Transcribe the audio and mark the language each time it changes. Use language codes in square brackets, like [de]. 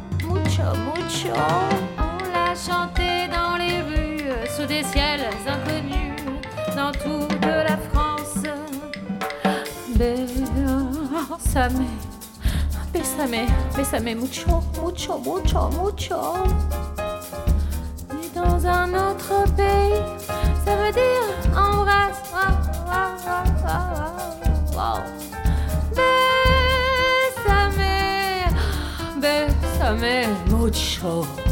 [fr] On l'a chanté dans les rues, sous des ciels inconnus, dans toute la France. [es] Bésame, bésame, bésame mucho, mucho, mucho, mucho. [fr] Et dans un autre pays, ça veut dire embrasse. Oh, oh, oh, oh, oh. Wow. [es] Bésame, bésame mucho.